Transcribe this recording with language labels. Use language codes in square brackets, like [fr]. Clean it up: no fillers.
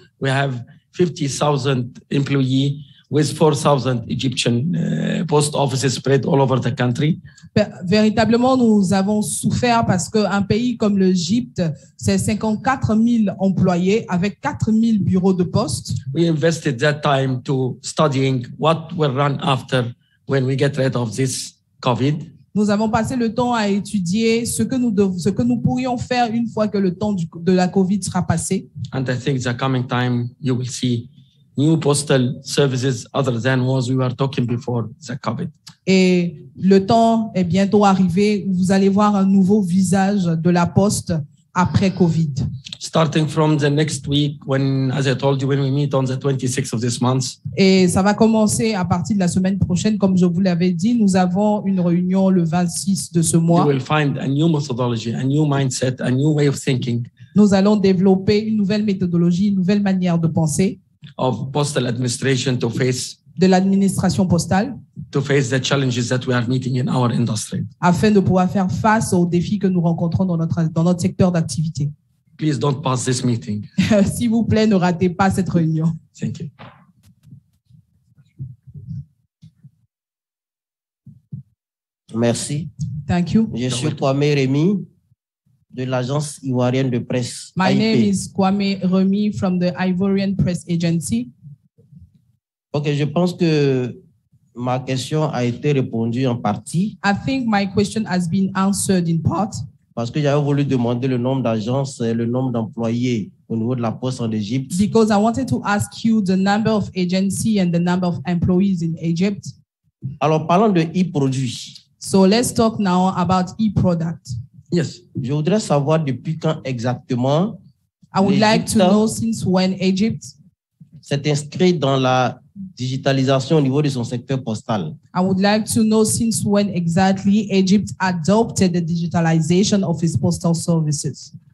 [en] We have 50,000 employees with 4,000 Egyptian post offices spread all over the country. [fr] Véritablement, nous avons souffert parce qu'un pays comme l'Egypte, c'est 54 000 employés avec 4 000 bureaux de poste. [en] We invested that time to studying what will run after when we get rid of this COVID. [fr] Nous avons passé le temps à étudier ce que nous pourrions faire une fois que le temps de la COVID sera passé. [en] And I think the coming time you will see new postal services other than what we were talking before the COVID. [fr] Et le temps est bientôt arrivé où vous allez voir un nouveau visage de la poste après COVID. [en] Starting from the next week, when, as I told you, when we meet on the 26th of this month. [fr] Et ça va commencer à partir de la semaine prochaine, comme je vous l'avais dit. Nous avons une réunion le 26 de ce mois. [en] You will find a new methodology, a new mindset, a new way of thinking. [fr] Nous allons développer une nouvelle méthodologie, une nouvelle manière de penser. [en] Of postal administration to face. [fr] De l'administration postale. [en] To face the challenges that we are meeting in our industry. [fr] Afin de pouvoir faire face aux défis que nous rencontrons dans notre secteur d'activité. [en] Please don't pass this meeting. [fr] S'il vous plaît, ne ratez pas cette réunion. [en] Thank you. [fr] Merci. [en] Thank you. [fr] Je suis Kwame Remy de l'agence ivoirienne de presse. [en] My IP. Name is Kwame Remy from the Ivorian Press Agency. [fr] Ok, je pense que ma question a été répondue en partie. [en] I think my question has been answered in part. [fr] Parce que j'avais voulu demander le nombre d'agences et le nombre d'employés au niveau de la poste en Égypte. [en] Because I wanted to ask you the number of agency and the number of employees in Egypt. [fr] Alors parlons de e-produits. [en] So let's talk now about e-product. [fr] Yes. Je voudrais savoir depuis quand exactement. [en] I would like to know since when Egypt. [fr] S'est inscrit dans la digitalisation au niveau de son secteur postal. [en] I would like to know since when exactly Egypt adopted the digitalization of its postal services.